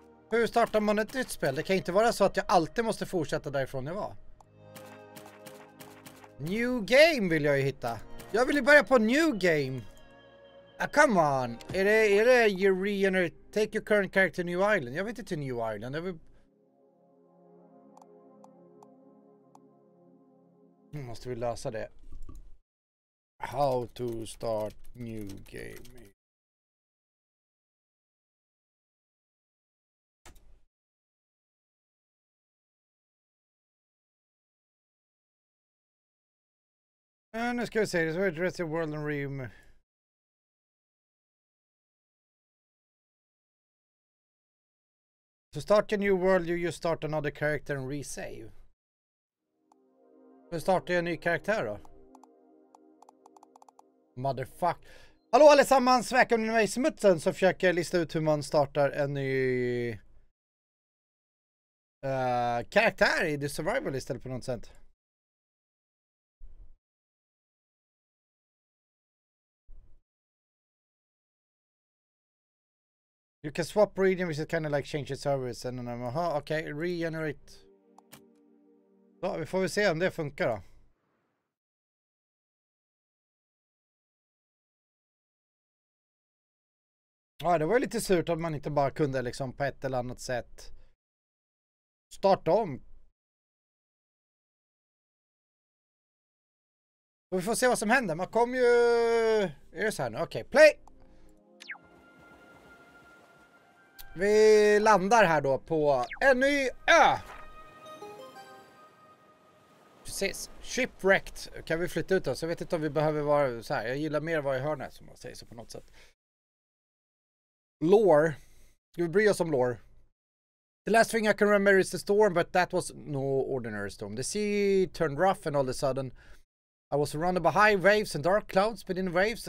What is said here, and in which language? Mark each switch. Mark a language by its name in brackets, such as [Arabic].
[Swedish] Hur startar man ett nytt spel? Det kan inte vara så att jag alltid måste fortsätta därifrån jag var. New game vill jag ju hitta. Jag vill ju börja på new game. [English] Come on. [Swedish] Är det [English] you re-enter, take your current character to New Island? [Swedish] Jag vet inte till New Island. Jag vill... Nu måste vi lösa det. [English] How to start new game. [Swedish] Nu ska vi se, det var ju Jurassic World and Rim. [English] To start a new world, you just start another character and resave. [Swedish] Hur startar jag en ny karaktär då? Motherfuck. Hallå allesammans, välkomna till mig i smutsen så försöker jag lista ut hur man startar en ny... karaktär i The Survival istället på något sätt. [English] You can swap region, which is kind of like change the servers and then I'm aha, okay, regenerate. [Swedish] Då får vi se om det funkar då. Ja, det var ju lite surt att man inte bara kunde liksom på ett eller annat sätt starta om. Och vi får se vad som händer. Man kommer ju... Är det så här nu? Okej, play! Vi landar här då på en ny ö! Precis. Shipwrecked. Kan vi flytta ut oss? Jag vet inte om vi behöver vara så här. Jag gillar mer vad jag hör när man säger så på något sätt. Lore. Ska vi bry oss om lore? [English] The last thing I can remember is the storm, but that was no ordinary storm. The sea turned rough and all of a sudden I was surrounded by high waves and dark clouds, but in waves...